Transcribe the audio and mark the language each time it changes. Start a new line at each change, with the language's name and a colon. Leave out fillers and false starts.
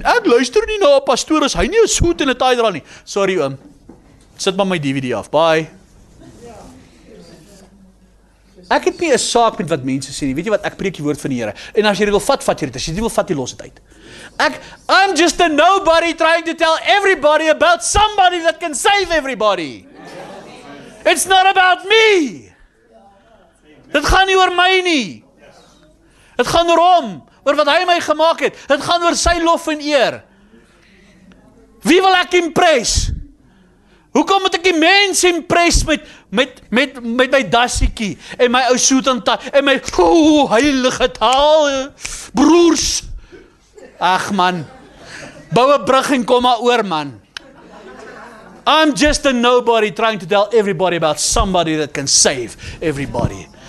Afrikaans: Ek luister nie na 'n pastoor as hy nie 'n soet en 'n taai dra nie. Sorry oom. Sit maar my DVD af. Bye. Ek het nie 'n saak met wat mense sê nie. Weet jy wat, ek preek die woord van die Here. En as jy dit wil vat, vat jy dit. As jy dit wil vat, jy los dit uit.
English: I'm just a nobody trying to tell everybody about somebody that can save everybody. It's not about me.
Afrikaans: Dit gaan nie oor my nie. Dit gaan oor hom, oor wat hy my gemaak het. Dit gaan oor sy lof en eer. Wie wil ek impress? Hoekom moet ek die mens impress met my dassietjie en my ou suit en tie en my heilige taal, broers? Ag man, bou 'n brug en kom maar oor man.
English: I'm just a nobody trying to tell everybody about somebody that can save everybody.